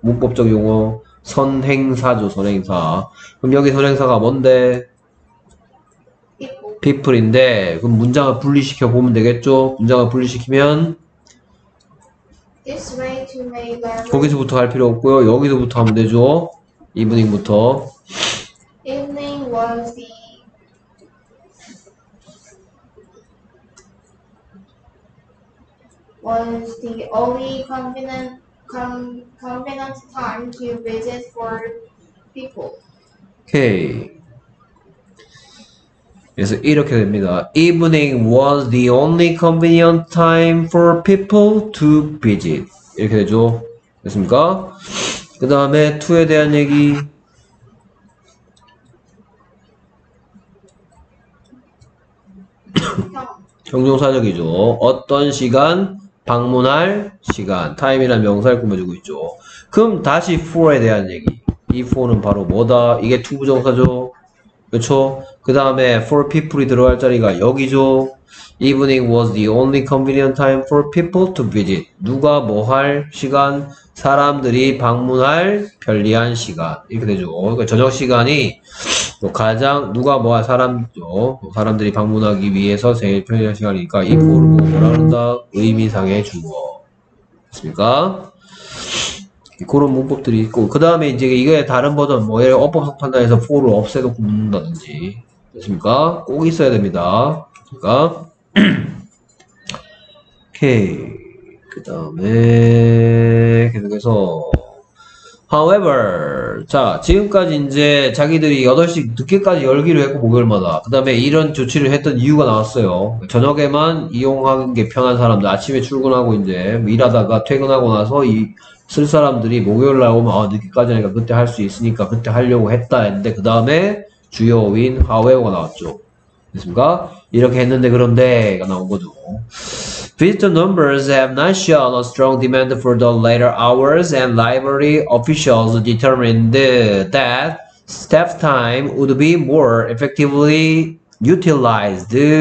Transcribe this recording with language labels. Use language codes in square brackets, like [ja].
[ko] 문법적 용어. 선행사죠, 선행사. 그럼 여기 선행사가 뭔데? people인데, 그럼 문장을 분리시켜 보면 되겠죠? 문장을 분리시키면, [en] This way to make library [ko] 거기서부터 할 필요 없고요. 여기서부터 하면 되죠. evening부터. [en] evening was the [ko] 원스티 [en] only convenient time to visit for people. [ko] 오케이. 그래서 이렇게 됩니다. [en] Evening was the only convenient time for people to visit. [ko] 이렇게 되죠. 됐습니까? 그 다음에 to에 대한 얘기. 형용사적이죠. 어떤 시간? 방문할 시간. 타임이란 명사를 꾸며주고 있죠. 그럼 다시 for에 대한 얘기. 이 for는 바로 뭐다? 이게 to 부정사죠. 그렇죠? 그 다음에 for people이 들어갈 자리가 여기죠. [en] Evening was the only convenient time for people to visit. [ko] 누가 뭐할 시간? 사람들이 방문할 편리한 시간. 이렇게 되죠. 그러니까 저녁 시간이 뭐 가장 누가 뭐할 사람이죠. 사람들이 방문하기 위해서 제일 편리한 시간이니까 이 for를 뭐라 한다? 의미상의 주어. 맞습니까? 그런 문법들이 있고 그 다음에 이제 이거에 다른 버전 뭐 예를 어법학 판단에서 for를 없애놓고 묻는다든지 됐습니까? 꼭 있어야 됩니다. 그러니까 오케이 그 다음에 계속해서 however 자 지금까지 이제 자기들이 8시 늦게까지 열기로 했고 목요일마다 그 다음에 이런 조치를 했던 이유가 나왔어요. 저녁에만 이용하는 게 편한 사람들 아침에 출근하고 이제 일하다가 퇴근하고 나서 이쓸 사람들이 목요일 날 오면 아 늦게까지 하니까 그때 할수 있으니까 그때 하려고 했다 했는데 그 다음에 주요어인 however가 나왔죠. 됐습니까? 이렇게 했는데 그런데가 나온 거죠. [en] Visitor numbers have not shown a strong demand for the later hours, and library officials determined that staff time would be more effectively utilized.